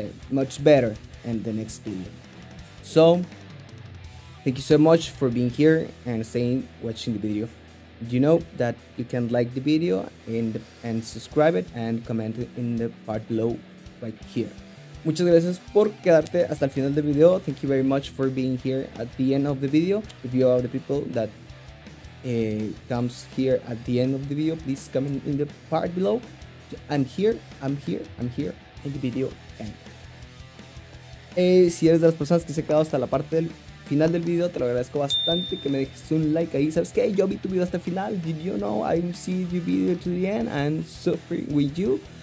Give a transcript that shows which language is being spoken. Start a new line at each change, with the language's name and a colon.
English: Much better in the next video. So, thank you so much for being here and staying watching the video. You know that you can like the video and subscribe it and comment in the part below right here.
Spanish: Muchas gracias por quedarte hasta el final del video.
English: Thank you very much for being here at the end of the video. If you are the people that comes here at the end of the video, please comment in the part below. I'm here in the video.
Spanish: Si eres de las personas que se ha quedado hasta la parte del final del video, te lo agradezco bastante que me dejes un like ahí. ¿Sabes qué? Yo vi tu video hasta el final.
English: Did you know I see your video to the end and suffering with you?